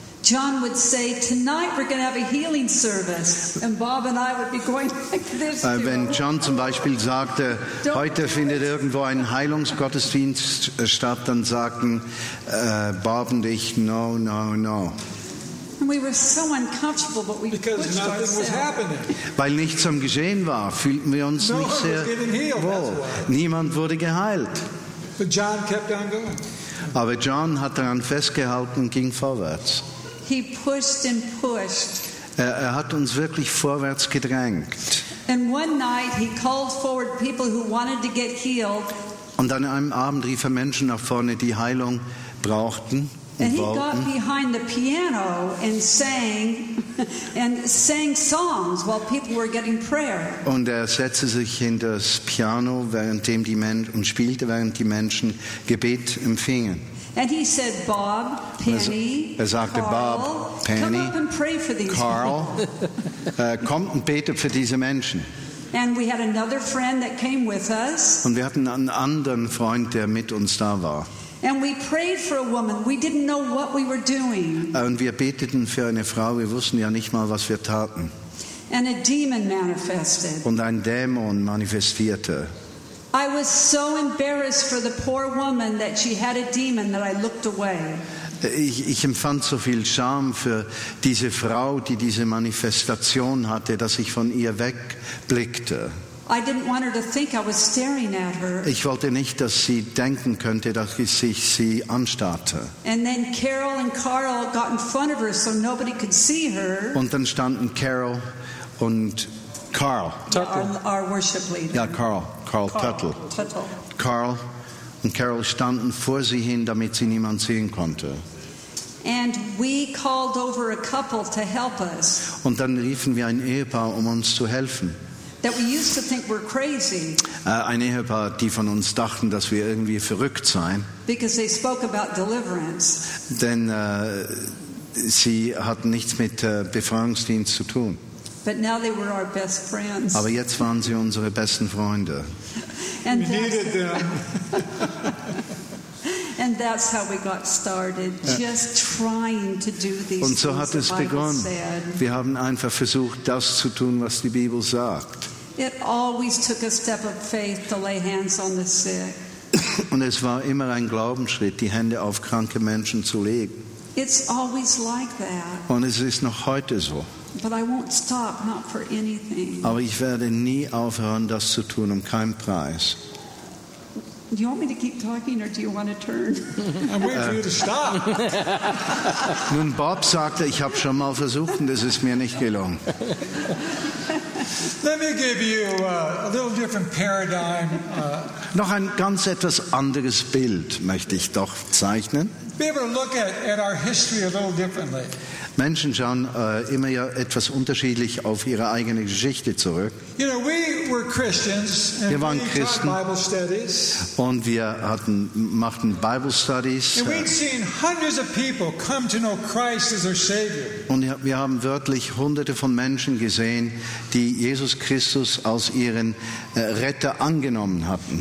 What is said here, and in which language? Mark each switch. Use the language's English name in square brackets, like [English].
[English] John would say, tonight we're going to have a healing service. And Bob and I would be going like this. [German] Wenn John zum Beispiel sagte, heute findet irgendwo ein Heilungsgottesdienst statt, dann sagten Bob und ich, no, no, no. [English] And we were so uncomfortable, but we because pushed nothing ourselves. Was happening. [German] Weil nichts am Geschehen war, fühlten wir uns [English] no [German] nicht sehr [English] healed, [German] wohl. Niemand wurde geheilt. [English] But John kept on going. [German] Aber John hat daran festgehalten und ging vorwärts. [English] He pushed and pushed. [German] Er hat uns wirklich vorwärts gedrängt. [English] And one night he called forward people who wanted to get healed. [German] Und an einem Abend rief er Menschen nach vorne, die Heilung brauchten und wollten. [English] And he got behind the piano and sang songs while people were getting prayer. [German] Und er setzte sich hinter das Piano, während die Menschen Gebet empfingen. [English] And he said, Bob, Penny, [German] er sagte, [English] Carl, [German] Bob, Penny, [English] come up and pray for these [German] Carl, [English] people. [German] kommt und betet für diese Menschen. [English] And we had another friend that came with us. [German] Und wir hatten einen anderen Freund, der mit uns da war. [English] And we prayed for a woman. We didn't know what we were doing. [German] Und wir beteten für eine Frau. Wir wussten ja nicht mal, was wir taten. [English] And a demon manifested. [German] Und ein Dämon manifestierte. [English] I was so embarrassed for the poor woman that she had a demon that I looked away. [German] Ich empfand so viel Scham für diese Frau, die diese Manifestation hatte, dass ich von ihr wegblickte. [English] I didn't want her to think I was staring at her. [German] Ich wollte nicht, dass sie denken könnte, dass ich sie anstarrte. [English] And then Carol and Carl got in front of her so nobody could see her. [German] Und dann standen Carol und Carl. [English] Our worship leader. [German] Ja, Carl. Carl Tuttle. Carl und Carol standen vor sie hin, damit sie niemand sehen konnte. [English] And we called over a couple to help us. [German] Und dann riefen wir ein Ehepaar, um uns zu helfen. [English] That we used to think were crazy. [German] Ein Ehepaar, die von uns dachten, dass wir irgendwie verrückt seien. [English] Because they spoke about deliverance. [German] Denn sie hatten nichts mit Befreiungsdienst zu tun. [English] But now they were our best friends. [German] Aber jetzt waren sie unsere besten Freunde. [English] And we needed them. And that's how we got started. Just trying to do these things. [German] Und so hat es begonnen. Wir haben einfach versucht, das zu tun, was die Bibel sagt. [English] It always took a step of faith to lay hands on the sick. [German] Und es war immer ein Glaubensschritt, die Hände auf kranke Menschen zu legen. [English] It's always like that. [German] Und es ist noch heute so. [English] But I won't stop, not for anything. [German] Aber ich werde nie aufhören, das zu tun, um keinen Preis. [English] Do you want me to keep talking or do you want to turn? I'm waiting for you to stop. [German] Nun, Bob sagte, ich habe schon mal versucht und es ist mir nicht gelungen. [English] Let me give you a little different paradigm. [German] Noch ein ganz etwas anderes Bild möchte ich doch zeichnen. [English] Be able to look at our history a little differently. [German] Menschen schauen immer ja etwas unterschiedlich auf ihre eigene Geschichte zurück. [English] You know, we were Christians and [German] wir waren Christen [English] we taught Bible studies. [German] Und wir machten Bible Studies. [English] And we'd seen hundreds of people come to know Christ as their Savior. [German] Und wir haben wörtlich Hunderte von Menschen gesehen, die Jesus Christus als ihren Retter angenommen hatten.